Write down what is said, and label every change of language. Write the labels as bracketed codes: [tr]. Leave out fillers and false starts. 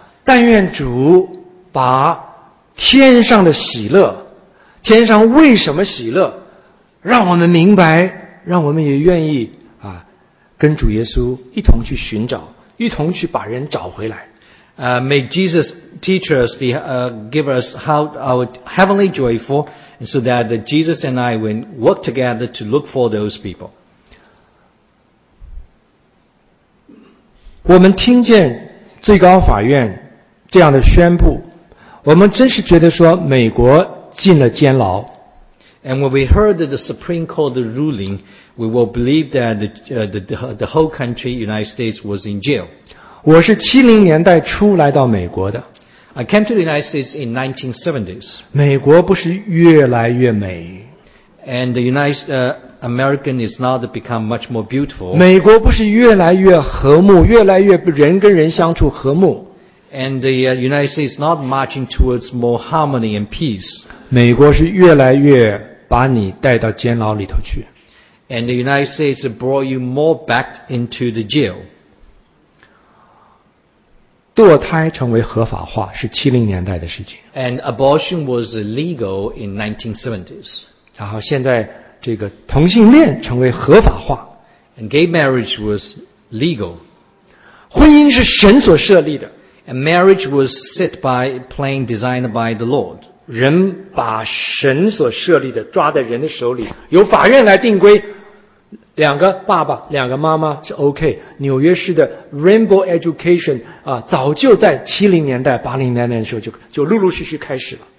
[zh] 但愿主把天上的喜乐，天上为什么喜乐，让我们明白，让我们也愿意啊，跟主耶稣一同去寻找，一同去把人找回来。 [en] May Jesus teach us the give us how our heavenly joyful, so that Jesus and I will work together to look for those people. [zh] 我们听见最高法院这样的宣布，我们真是觉得说美国进了监牢。 [en] And when we heard that the Supreme Court the ruling, we will believe that the whole country, United States, was in jail. [zh] 我是70年代初来到美国的。 [en] I came to the United States in 1970s. [zh] 美国不是越来越美。 [en] And the United, American is not become much more beautiful. [zh] 美国不是越来越和睦，越来越人跟人相处和睦。 [en] And the United States is not marching towards more harmony and peace. [zh] 美国是越来越把你带到监牢里头去。 [en] And the United States brought you more back into the jail. [zh] 堕胎成为合法化是70年代的事情。 [en] And abortion was legal in 1970s. [zh] 然后现在这个同性恋成为合法化。 [en] And gay marriage was legal. [zh] 婚姻是神所设立的。 [en] And marriage was set by plan designed by the Lord. [zh] 人把神所设立的抓在人的手里，由法院来定规。两个爸爸，两个妈妈是 OK。纽约市的 Rainbow Education 啊，早就在70年代、80年代的时候就陆陆续续开始了。